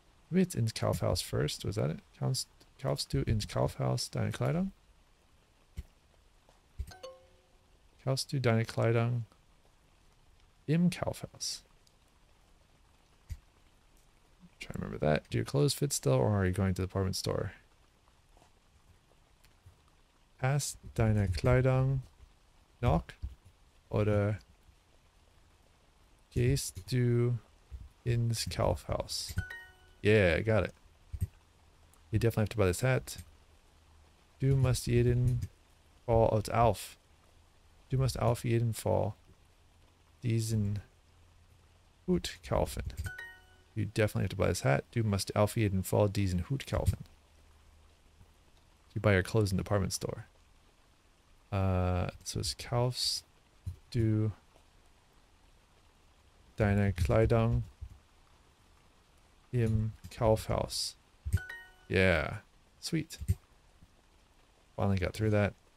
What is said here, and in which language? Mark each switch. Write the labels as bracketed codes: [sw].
[en] Maybe it's [de] ins Kaufhaus [en] first, was that it? [de] Kaufst du ins Kaufhaus deine Kleidung? Kaufst du deine Kleidung im Kaufhaus? [en] Try to remember that. Do your clothes fit still, or are you going to the department store? [de] Passt deine Kleidung noch oder gehst du ins Kaufhaus? [en] Yeah, I got it. You definitely have to buy this hat. [de] Du musst jeden Fall, [en] oh, it's auf. [de] Du musst auf jeden Fall diesen Hut kaufen. [en] You definitely have to buy this hat. [de] Du musst auf jeden Fall diesen Hut kaufen. [en] You buy your clothes in the department store. So it's [de] kaufst du deine Kleidung im Kaufhaus. [en] Yeah, sweet. Finally got through that.